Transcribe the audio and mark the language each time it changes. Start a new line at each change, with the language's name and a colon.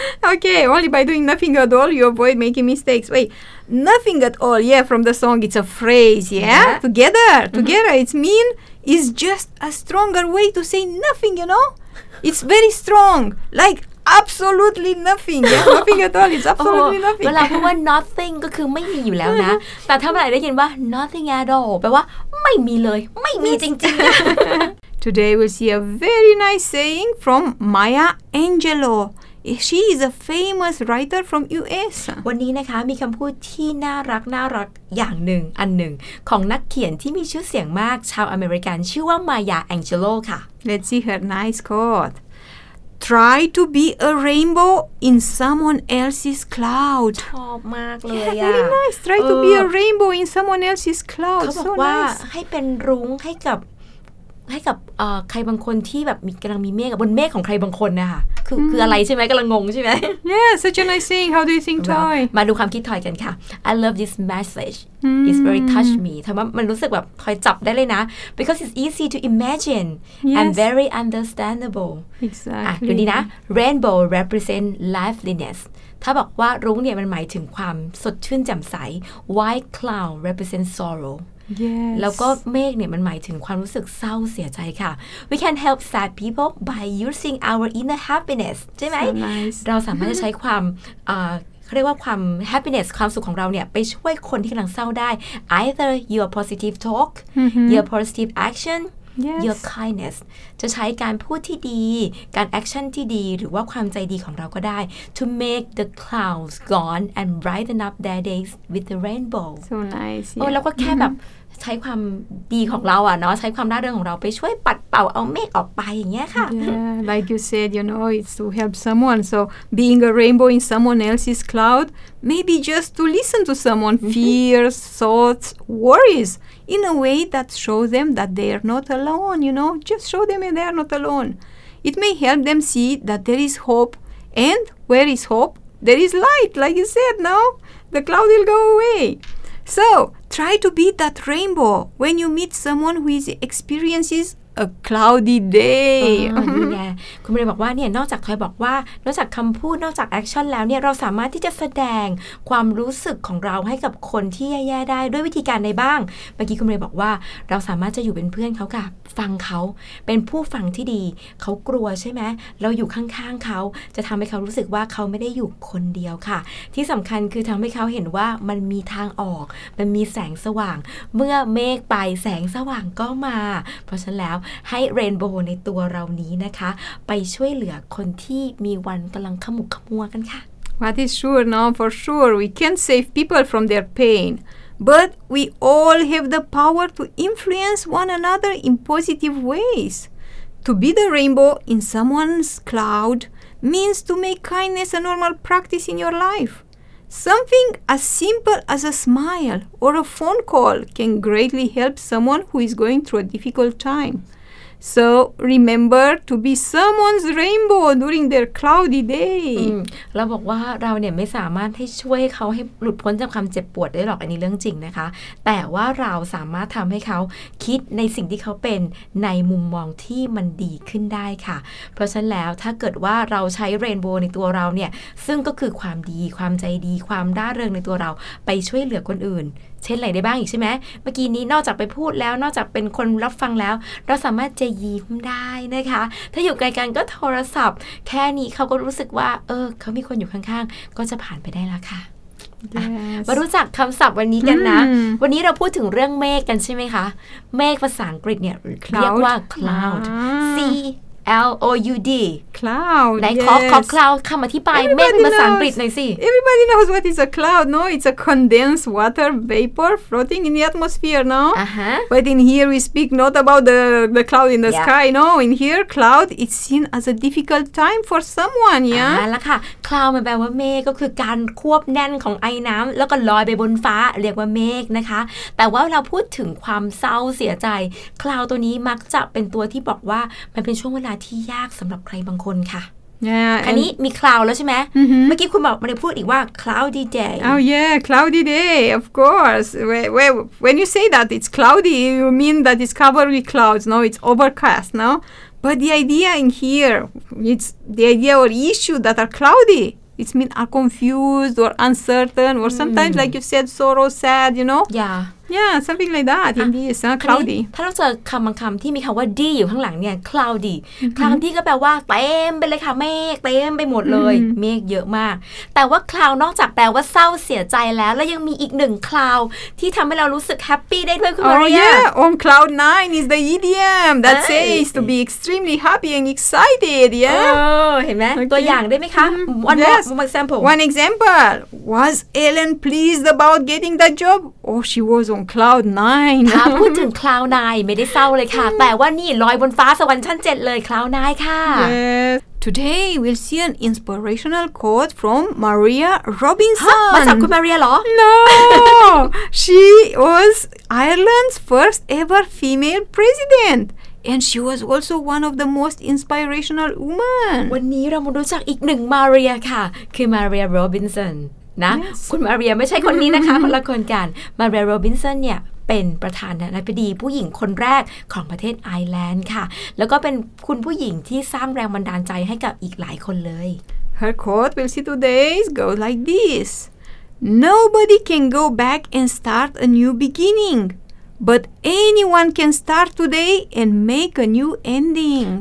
English: okay only by doing nothing at all you avoid making mistakes waitNothing at all, yeah, from the song, it's a phrase, yeah? Together, it's mean, it's just a stronger way to say nothing, you know? It's very strong, like absolutely nothing, yeah? Nothing at all, it's absolutely nothing.
Thai: เวลาพูดว่า nothing ก็คือไม่มีอยู่แล้วนะ แต่ถ้าเมื่อไหร่ได้ยินว่า nothing at all, แปลว่าไม่มีเลยไม่มีจริงๆ
English: Today we'll see a very nice saying from Maya AngelouShe is a famous writer from US.
Thai: วันนี้นะคะมีคำพูดที่น่ารักน่ารักอย่างหนึ่งอันหนึ่งของนักเขียนที่มีชื่อเสียงมากชาวอเมริกันชื่อว่า Maya Angelou ค่ะ
English: Let's see her nice quote. Try to be a rainbow in someone else's cloud.
Thai: ชอบมากเลยอ่ะ
English: Very nice. Try to be a rainbow in someone else's cloud.
Thai: เขาบอกว่ าให้เป็นรุ้งให้กับใครบางคนที่แบบมีกำลังมีเมฆบนเมฆของใครบางคนนะคะคืออะไรใช่ไหมกำลังงงใช่ไหม
English: Yeah such a nice thing how do you think Toy
Thai: มาดูความคิดทอยกันค่ะ
English: I love this message it's very touch me
Thai: ทำไมมันรู้สึกแบบทอยจับได้เลยนะ
English: because it's easy to imagine and very understandable exactly
Thai: ดูดีนะ
English: rainbow represent liveliness
Thai: ถ้าบอกว่ารุ้งเนี่ยมันหมายถึงความสดชื่นแจ่มใส
English: white cloud represent sorrow Yes.
Thai: แล้วก็เมฆเนี่ยมันหมายถึงความรู้สึกเศร้าเสียใจค่ะ
English: We can help sad people by using our inner happiness
Thai: ใช่ไหม
English: so nice.
Thai: เราสามารถจะใช้ความเขาเรียกว่าความ happiness ความสุขของเราเนี่ยไปช่วยคนที่กำลังเศร้าได้
English: either your positive talk your positive action Yes. Your kindness
Thai: จะใช้การพูดที่ดีการแอคชั่นที่ดีหรือว่าความใจดีของเราก็ได้
English: to make the clouds gone and brighten up their days with the rainbow so nice
Thai: โอ้แล้วก็แค่แบบใช้ความดีของเราอ่ะเนาะใช้ความน่าเรื่องของเราไปช่วยปัดเป่าเอาเมฆออกไปอย่างเงี้ยค่ะ
English: yeah like you said you know it's to help someone so being a rainbow in someone else's cloud maybe just to listen to someone fears thoughts worriesin a way that shows them that they are not alone, you know? Just show them that they are not alone. It may help them see that there is hope. And where is hope? There is light, like you said, no? The cloud will go away. So, try to be that rainbow when you meet someone who experiences a cloudy day.
Thai: คุณเรียนบอกว่าเนี่ยนอกจากทอยบอกว่านอกจากคำพูดนอกจากแอคชั่นแล้วเนี่ยเราสามารถที่จะแสดงความรู้สึกของเราให้กับคนที่แย่ๆได้ด้วยวิธีการใดบ้างเมื่อกี้คุณเรียนบอกว่าเราสามารถจะอยู่เป็นเพื่อนเขาค่ะฟังเขา เป็นผู้ฟังที่ดีเขากลัวใช่ไหมเราอยู่ข้างๆเขาจะทำให้เขารู้สึกว่าเขาไม่ได้อยู่คนเดียวค่ะที่สำคัญคือทำให้เขาเห็นว่ามันมีทางออกมันมีแสงสว่างเมื่อเมฆไปแสงสว่างก็มาเพราะฉะนั้นแล้วให้เรนโบว์ในตัวเรานี้นะคะไปช่วยเหลือคนที่มีวันกำลังขมุกขมัวกันค่ะ
English: What is sure no for sure we can't save people from their pain but we all have the power to influence one another in positive ways to be the rainbow in someone's cloud means to make kindness a normal practice in your life something as simple as a smile or a phone call can greatly help someone who is going through a difficult time So remember to be someone's rainbow during their cloudy day.
Thai: เราบอกว่าเราเนี่ยไม่สามารถให้ช่วยเขาให้หลุดพ้นจากความเจ็บปวดได้หรอกอันนี้เรื่องจริงนะคะแต่ว่าเราสามารถทำให้เขา คิดในสิ่งที่เขาเป็นในมุมมองที่มันดีขึ้นได้ค่ะเพราะฉะนั้นแล้วถ้าเกิดว่าเราใช้เรนโบว์ในตัวเราเนี่ยซึ่งก็คือความดีความใจดีความร่าเริงในตัวเราไปช่วยเหลือคนอื่นเช่นอะไรได้บ้างอีกใช่ไหมเมื่อกี้นี้นอกจากไปพูดแล้วนอกจากเป็นคนรับฟังแล้วเราสามารถจะยิ้มได้นะคะถ้าอยู่ไกลกันก็โทรศัพท์แค่นี้เขาก็รู้สึกว่าเออเขามีคนอยู่ข้างๆก็จะผ่านไปได้แล้วค่ะ
English: yes.
Thai: มารู้จักคำศัพท์วันนี้กันนะ วันนี้เราพูดถึงเรื่องเมฆกันใช่ไหมคะเมฆภาษาอังกฤษเนี่ย
English: cloud.
Thai: เรียกว่า cloud CLOUD
English: cloud
Thai: ไหน
English: yes.
Thai: ขอ cloud คำอธิบายเมฆภาษาอังกฤษหน่อยสิ
English: Everybody knows what is a cloud no it's a condensed water vapor floating in the atmosphere no uh-huh. but in here we speak not about the cloud in the yeah. sky no in here cloud is seen as a difficult time for someone yeah
Thai: แล้วค่ะ cloud มันแปลว่าเมฆก็คือการควบแน่นของไอ้น้ำแล้วก็ลอยไปบนฟ้าเรียกว่าเมฆนะคะแต่ว่าเราพูดถึงความเศร้าเสียใจ cloud ตัวนี้มักจะเป็นตัวที่บอกว่ามันเป็นช่วงเวลาที่ยากสำหรับใครบางคนค่ะ
English: yeah,
Thai: อันนี้มี cloud แล้วใช่ไหม
English: mm-hmm.
Thai: เมื่อกี้คุณบอกมันได้พูดอีกว่า cloudy day
English: oh yeah cloudy day of course when you say that it's cloudy you mean that it's covered with clouds no it's overcast no but the idea in here it's the idea or issue that are cloudy it's mean are confused or uncertain or sometimes like you said sorrow sad you know yeah Yeah, something like that. In this, cloudy.
Thai: ถ้าเราเจอคำบางคำที่มีคำว่า D อยู่ข้างหลังเนี่ย cloudy cloudy ที่ก็แปลว่าเต็มไปเลยค่ะเมฆเต็มไปหมดเลยเมฆเยอะมากแต่ว่า cloud นอกจากแปลว่าเศร้าเสียใจแล้วแล้วยังมีอีกหนึ่ง cloud ที่ทำให้เรารู้สึก happy ได้ด้วยคุณมาริยา
English: Oh yeah, on cloud 9 is the idiom that says to be extremely happy and excited. Yeah.
Thai: เห็นไหมตัวอย่างได้ไหมคะ
English: One example. Was Ellen pleased about getting that job? Oh, she was.
Thai: ตรง
English: cloud 9
Thai: พูดถึง cloud 9 ไม่ได้เศร้าเลยค่ะแต่ว่านี่ลอยบนฟ้าสวรรค์ชั้น7เลย cloud 9ค่ะ
English: yes. Today we'll see an inspirational quote from Maria Robinson
Thai: มาจากคุณมาเรียเหรอ
English: No She was Ireland's first ever female presidentAnd she was also one of the most inspirational women.
Thai: วันนี้เรามารู้จักอีกหนึ่งมาเรียค่ะคือมาเรียโรบินสันนะ
English: yes.
Thai: คุณมาเรียไม่ใช่คนนี้นะคะ คนละคนกันมาเรียโรบินสันเนี่ยเป็นประธานาธิบดีผู้หญิงคนแรกของประเทศไอร์แลนด์ค่ะแล้วก็เป็นคุณผู้หญิงที่สร้างแรงบันดาลใจให้กับอีกหลายคนเลย
English: Her quote we'll see today goes like this Nobody can go back and start a new beginningBut anyone can start today and make a new ending.